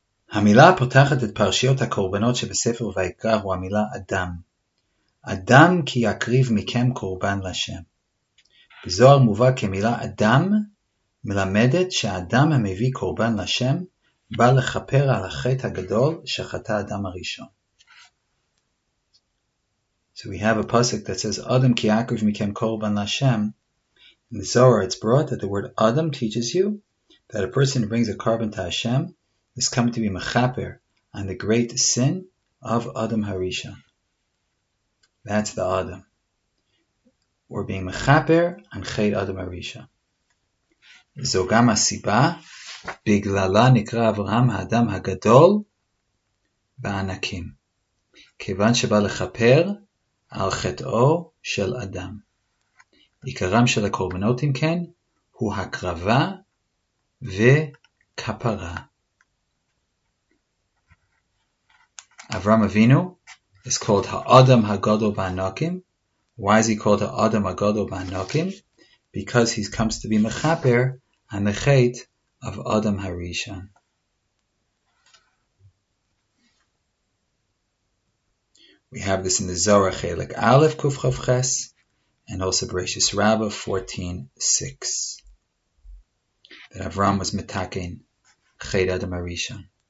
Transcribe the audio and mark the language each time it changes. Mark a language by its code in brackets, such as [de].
[he] המילה הפותחת את פרשיות הקורבנות שבספר ויקרא הוא המילה אדם. אדם כי יקריב מכם קורבן לשם. בזוהר מובא כמילה אדם מלמדת שהאדם המביא קורבן לשם בא לכפר על החטא הגדול שחטא האדם הראשון. [en] So we have a pasuk that says [he] Adam ki akriv mikem korban lashem. [en] In the Zohar it's brought that the word Adam teaches you that a person who brings a korban to Hashem is coming to be mechaper on the great sin of Adam Harishon. That's the Adam. We're being mechaper on chet Adam Harishon. [he] Zo gam hasiba biglala nikra Avraham Adam Hagadol ba'anakim. Kevan sheba lechaper על חטאו של אדם. עיקרם של הקורבנות אם כן הוא הקרבה וכפרה. [en] אברהם אבינו is called האדם הגדול בענקים. Why is he called האדם הגדול בענקים? Because he comes to be מחפר on the חטא of אדם הראשון. We have this in the Zohar Chelek Aleph Kuf Chav Ches and also Bereishis Rabbah 14:6 that Avram was metaken Chet Adam Harishon.